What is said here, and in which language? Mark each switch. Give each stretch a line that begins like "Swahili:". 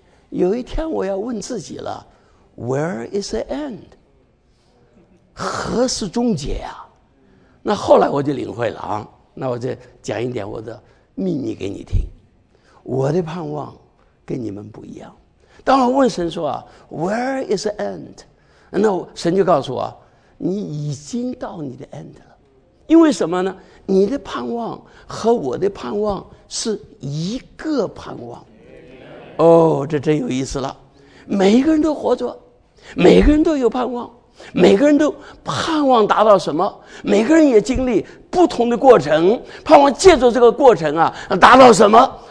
Chinese: 有一天我要问自己了，
English: Where is the end?
Chinese: 何时终结啊？那后来我就领会了啊，那我就讲一点我的秘密给你听。我的盼望跟你们不一样。当我问神说啊，
English: Where is the end?
Chinese: 那神就告诉我，你已经到你的 end 了。因为什么呢？你的盼望和我的盼望是一个盼望。哦，这真有意思了。每个人都活着，每个人都有盼望，每个人都盼望达到什么，每个人也经历不同的过程，盼望借助这个过程啊达到什么。